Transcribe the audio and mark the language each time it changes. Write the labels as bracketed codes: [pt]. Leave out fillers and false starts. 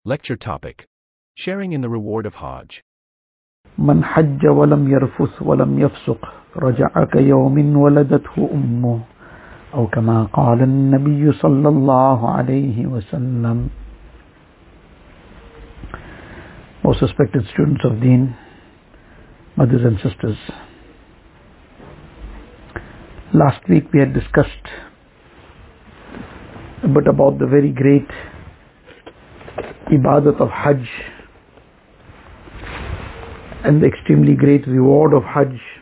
[en] Lecture topic: Sharing in the reward of Hajj. [ar] من حج ولم يرفس ولم يفسق رجع كيوم ولدته أمه أو كما قال النبي صلى الله عليه وسلم. [en] Most respected students of Deen, mothers and sisters. Last week we had discussed a bit about the very great Ibadat of Hajj and the extremely great reward of Hajj.